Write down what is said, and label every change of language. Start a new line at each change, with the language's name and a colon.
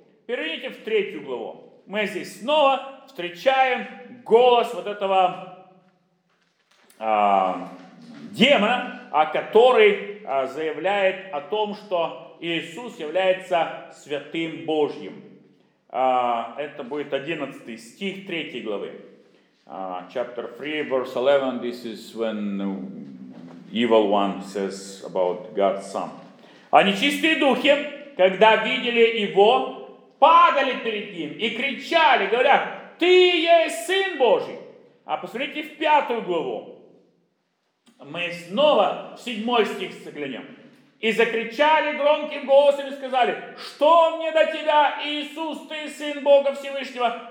Russian: Переверните в 3 главу. Мы здесь снова встречаем голос вот этого демона, который заявляет о том, что Иисус является Святым Божьим. Это будет 11 стих 3 главы.
English: Chapter 3, verse 11, this is when the evil one says about God's Son.
Russian: «А нечистые духи, когда видели Его, падали перед Ним и кричали, говоря: Ты есть Сын Божий». А посмотрите в 5 главу. Мы снова в 7 стих заглянем. «И закричали громким голосом и сказали: Что мне до тебя, Иисус, ты Сын Бога Всевышнего?